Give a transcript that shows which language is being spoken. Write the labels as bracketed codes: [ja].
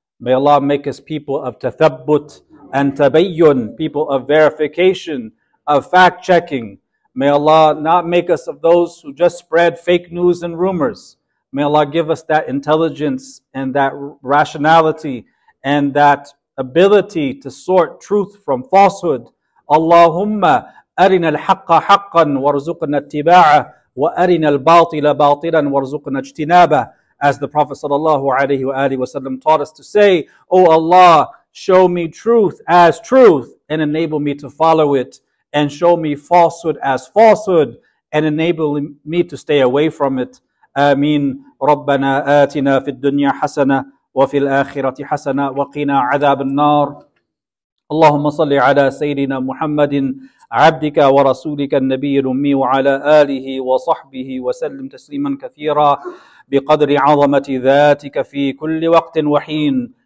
[en] May Allah make us people of tathabbut and tabayyun, people of verification, of fact-checking. May Allah not make us of those who just spread fake news and rumors. May Allah give us that intelligence and that rationality and that ability to sort truth from falsehood. [ar] Allahumma أرنا الحق حقا وارزقنا اتباعه وأرنا الباطل باطلا وارزقنا اجتنابه. [en] As the Prophet sallallahu alaihi wasallam taught us to say, O Allah, show me truth as truth and enable me to follow it, and show me falsehood as falsehood and enable me to stay away from it. [ar] Amin. ربنا آتنا في الدنيا حسنة وفي الآخرة حسنة وقنا عذاب النار. اللهم صل على سيدنا محمد عبدك ورسولك النبي الأمي وعلى آله وصحبه وسلم تسليما كثيرا بقدر عظمة ذاتك في كل وقت وحين.